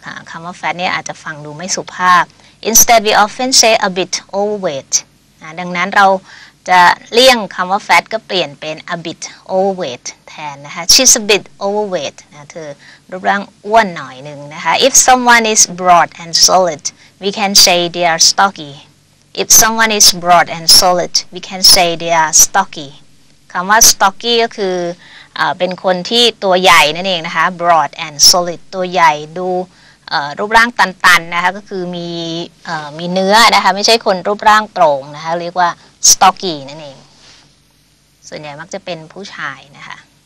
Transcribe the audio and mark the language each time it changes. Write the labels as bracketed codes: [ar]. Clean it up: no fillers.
[th] คำว่า fat เนี่ยอาจจะฟังดูไม่สุภาพ [en] Instead, we often say a bit overweight. [th] ดังนั้นเราจะเลี่ยงคำว่า fat ก็เปลี่ยนเป็น a bit overweight แทนนะคะ [en] She's a bit overweight. [th] เธอรูปร่างอ้วนหน่อยหนึ่งนะคะ [en] If someone is broad and solid, we can say they are stocky. If someone is broad and solid, we can say they are stocky. [th] คำว่า stocky ก็คือเป็นคนที่ตัวใหญ่นั่นเองนะคะ [en] broad and solid [th] ตัวใหญ่ดูรูปร่างตันๆนะคะก็คือมีเนื้อนะคะไม่ใช่คนรูปร่างตรงนะคะเรียกว่า stocky นั่นเองส่วนใหญ่มักจะเป็นผู้ชายนะคะ